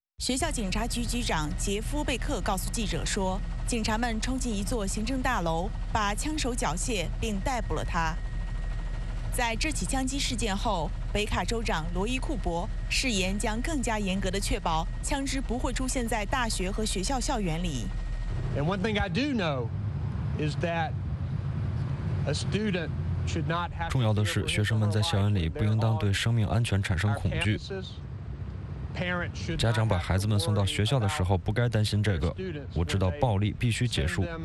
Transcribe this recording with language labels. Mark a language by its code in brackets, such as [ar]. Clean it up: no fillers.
[zh] 学校警察局局长杰夫·贝克告诉记者说，警察们冲进一座行政大楼，把枪手缴械并逮捕了他。在这起枪击事件后，北卡州长罗伊·库伯誓言将更加严格地确保枪支不会出现在大学和学校校园里。 [en] And one thing I do know is that a student should not have. [zh] 重要的是，学生们在校园里不应当对生命安全产生恐惧。家长把孩子们送到学校的时候不该担心这个，我知道暴力必须结束。